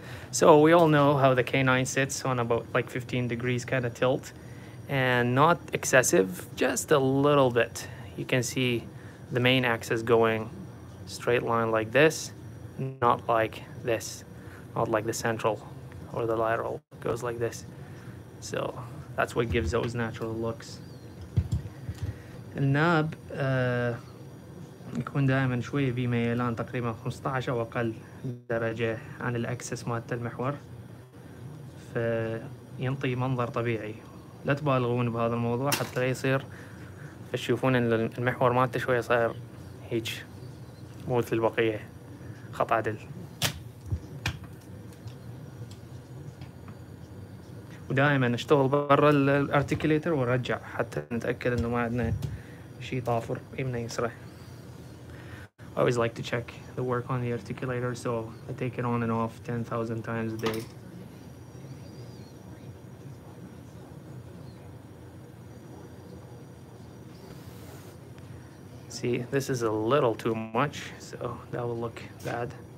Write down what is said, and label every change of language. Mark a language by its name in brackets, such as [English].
[English] So we all know how the canine sits on about like 15 degrees kind of tilt and not excessive, just a little bit. You can see the main axis going straight line like this. Not like this, not like the central or the lateral, it goes like this. So that's what gives those natural looks. [Arabic] الناب يكون دائما شوية في ميلان تقريبا 15 أو أقل درجة عن الأكسس مالت المحور فينطي منظر طبيعي. لا تبالغون بهذا الموضوع حتى لا يصير تشوفون إن المحور مالته شوية صار هيج مو مثل البقية. خط عدل ودائما اشتغل برا الارتيكوليتر ورجع حتى نتأكد انه ما عندنا شيء طافر يمنى يسره. [English] I always like to check the work on the articulator so I take it on and off 10,000 times a day. See, this is a little too much, so that will look bad.